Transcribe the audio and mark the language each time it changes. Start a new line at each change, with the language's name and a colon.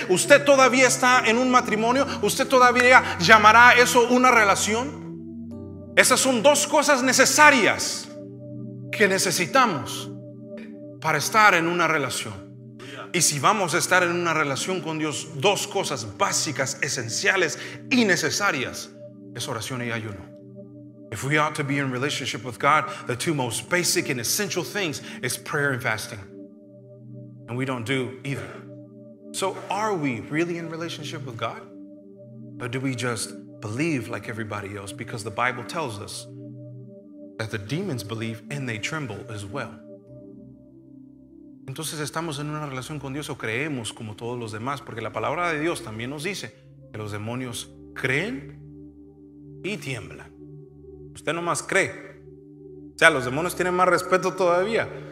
Spanish: ¿Usted todavía está en un matrimonio? ¿Usted todavía llamará eso una relación? Esas son dos cosas necesarias que necesitamos para estar en una relación. Y si vamos a estar en una relación con Dios, dos cosas básicas, esenciales y necesarias es oración y ayuno.
English: If we ought to be in relationship with God, the two most basic and essential things is prayer and fasting. And we don't do either. So are we really in relationship with God? Or do we just believe like everybody else? Because the Bible tells us that the demons believe and they tremble as well.
Spanish: Entonces, ¿estamos en una relación con Dios o creemos como todos los demás? Porque la palabra de Dios también nos dice que los demonios creen y tiembla. Usted no más cree. O sea, los demonios tienen más respeto todavía.